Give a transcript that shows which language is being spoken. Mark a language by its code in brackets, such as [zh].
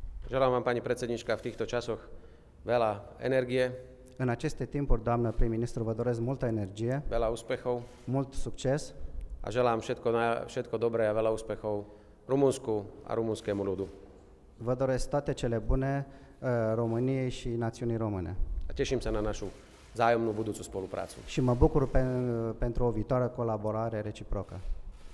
[sk] Želám vám, pani predsednička, v týchto časoch veľa energie. [ro] În aceste timpuri, doamnă prim-ministru, vă doresc multă energie. [sk] Veľa úspechov. [ro] Mult succes. [sk] A želám všetko dobré a veľa úspechov Rumunsku a rumunskému ľudu. [ro] Vă doresc toate cele bune României și națiunii române. [sk] A teším sa na našu zájomnú budúcu spoluprácu. [ro] Și mă bucur pentru o viitoare colaborare reciprocă.